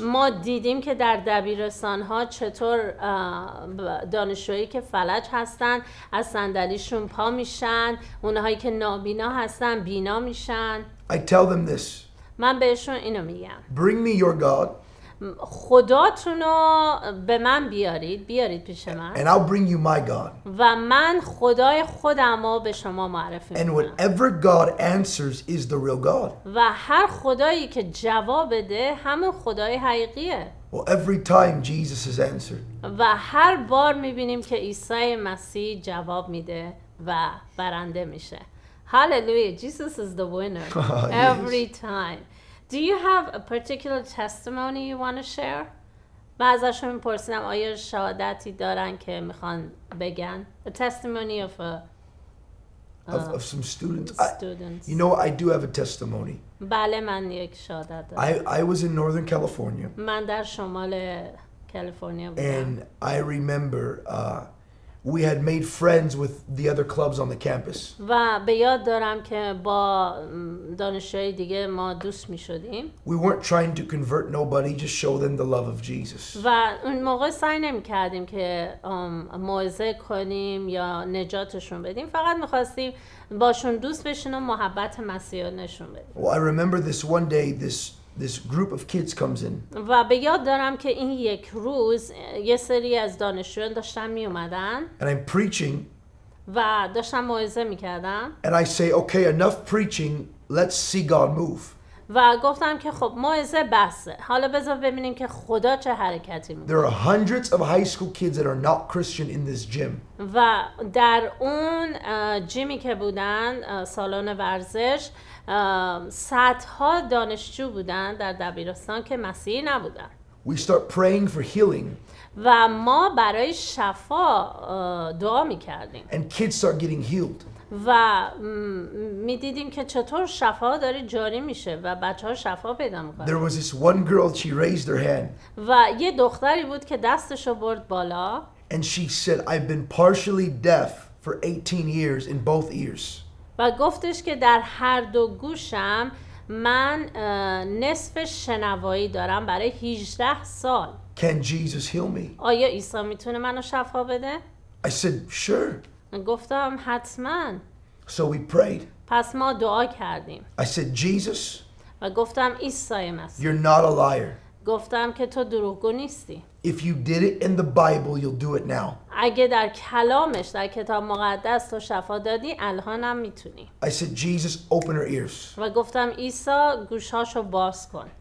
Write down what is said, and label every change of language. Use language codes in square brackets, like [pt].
[fa] ما دیدیم که در دبیرستان‌ها چطور دانشجویی که فلج هستن از صندلیشون پا میشن، اونهایی که نابینا هستن بینا میشن. [en] I tell them this. [fa] من بهشون اینو میگم. [en] Bring me your God. [fa] خداتونو به من بیارید، بیارید پیش من. [en] And I'll bring you my God. [fa] و من خدای خودمو به شما معرفی می‌کنم. [en] And whatever God answers is the real God. [fa] و هر خدایی که جواب بده همون خدای حقیقیه. [en] Well, every time Jesus is answered. [fa] و هر بار می‌بینیم که عیسی مسیح جواب میده و برنده میشه. [en] Hallelujah. Jesus is the winner. Every time. Do you have a particular testimony you want to share? [fa] بعضیشون می‌پرسیدم آیا شهادتی دارن که می‌خوان بگن. [en] A testimony of of some students. Students. You know, I do have a testimony. [fa] بله من یک شهادت دارم. [en] I was in Northern California. [fa] من در شمال کالیفرنیا بودم. [en] And I remember we had made friends with the other clubs on the campus. [fa] و به یاد دارم که با دانشجوهای دیگه ما دوست می‌شدیم. [en] We weren't trying to convert nobody, just show them the love of Jesus. [fa] و اون موقع سعی نمی‌کردیم که موعظه کنیم یا نجاتشون بدیم، فقط می‌خواستیم باشون دوست بشیم و محبت مسیح رو نشون بدیم. [en] Well, I remember this one day this group of kids comes in. [fa] و به یاد دارم که این یک روز یه سری از دانشجویان داشتن می اومدن. [en] And I'm preaching. [fa] و داشتم موعظه می‌کردم. [en] And I say, okay, enough preaching. Let's see God move. [fa] و گفتم که خب موعظه بسه. حالا بذار ببینیم که خدا چه حرکتی می‌کنه. [en] There are hundreds of high school kids that are not Christian in this gym. [fa] و در اون جیمی که بودن، سالن ورزش، صدها دانشجو بودن در دبیرستان که مسیحی نبودن. [en] We start praying for healing. [fa] و ما برای شفا دعا می‌کردیم. [en] And kids start getting healed. [fa] و می‌دیدیم که چطور شفا داره جاری میشه و بچه‌ها شفا پیدا می‌کنن. [en] There was this one girl, she raised her hand. [fa] و یه دختری بود که دستشو برد بالا. [en] And she said, I've been partially deaf for 18 years in both ears. [fa] و گفتش که در هر دو گوشم من نصف شنوایی دارم برای 18 سال. [en] Can Jesus heal me? [fa] آیا عیسی میتونه منو شفا بده؟ [en] I said sure. [fa] گفتم حتماً. [en] So we prayed. [fa] پس ما دعا کردیم. [en] I said Jesus. [fa] و گفتم عیسی مسیح. [en] You're not a liar. [fa] گفتم که تو دروغگو نیستی. [en] If you did it in the Bible, you'll do it now. [fa] اگه در کلامش در کتاب مقدس تو شفا دادی الانم میتونی. [en] I said Jesus, open her ears. [fa] و گفتم عیسی گوشاشو باز کن.